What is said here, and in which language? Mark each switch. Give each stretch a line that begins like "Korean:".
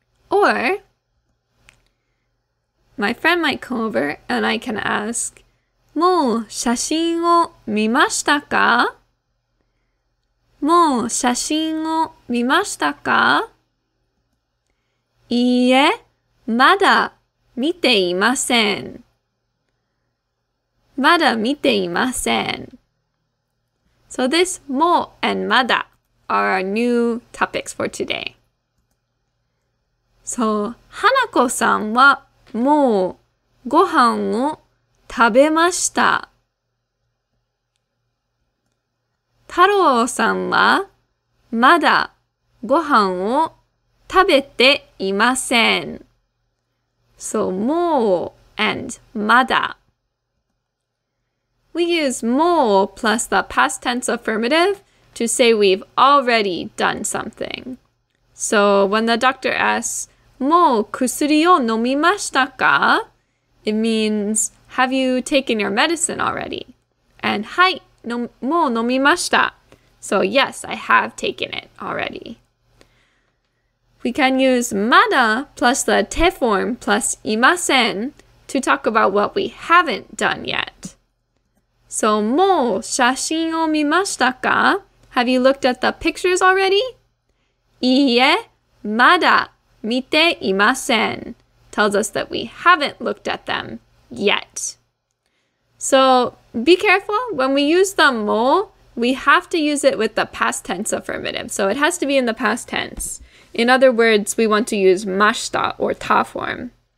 English: Or, my friend might come over and I can ask,
Japanese: もう写真を見ましたか? もう写真を見ましたか?いいえ、まだ見ていません。まだ見ていません。
English: So this もう and まだ are our new topics for today.
Japanese: So, 花子さんはもうご飯を食べました。太郎さんはまだご飯を食べていません。
English: So, もう and まだ。We use もう plus the past tense affirmative to say we've already done something. So, when the doctor asks,
Japanese: もう薬を飲みましたか?
English: It means, have you taken your medicine already? And,
Japanese: はい。もう飲みました。
English: So, yes, I have taken it already. We can use まだ plus the te form plus いません to talk about what we haven't done yet.
Japanese: So, もう写真を見ましたか?
English: Have you looked at the pictures already?
Japanese: いいえ、まだ見ていません。
English: Tells us that we haven't looked at them yet. So, be careful. When we use the mo, we have to use it with the past tense affirmative. So it has to be in the past tense. In other words, we want to use mashita or ta form.